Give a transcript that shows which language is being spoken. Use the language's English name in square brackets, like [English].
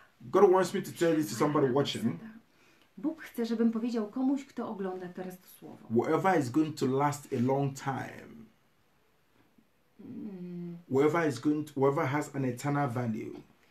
[English] God wants me to tell this to somebody watching. [Polish] Bóg chce, żebym powiedział komuś, kto ogląda teraz to słowo. [English] Whatever is going to last a long time. Whatever has an eternal value.